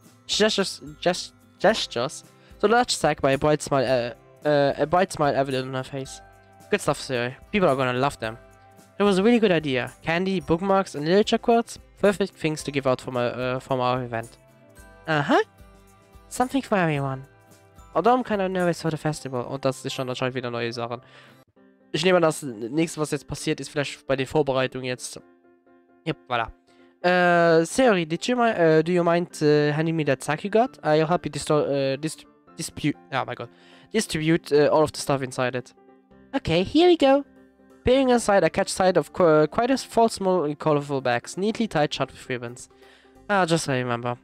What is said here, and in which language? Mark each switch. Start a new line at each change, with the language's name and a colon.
English: She gestures. So large sack by a bright smile evident on her face. Good stuff, sir. People are gonna love them. It was a really good idea. Candy, bookmarks, and literature quotes. Perfect things to give out from our event. Uh-huh. Something for everyone. Although I'm kind of nervous for the festival.
German: Und das ist schon anscheinend wieder neue Sachen. Ich nehme an, das nächste, was jetzt passiert, ist vielleicht bei den Vorbereitungen jetzt.
English: Yep, voilà. Sorry, do you mind handing me that sack you got? I'll help you distribute all of the stuff inside it. Okay, here we go. Peering inside, I catch sight of quite a few small and colorful bags, neatly tied shut with ribbons. Ah, just so I remember.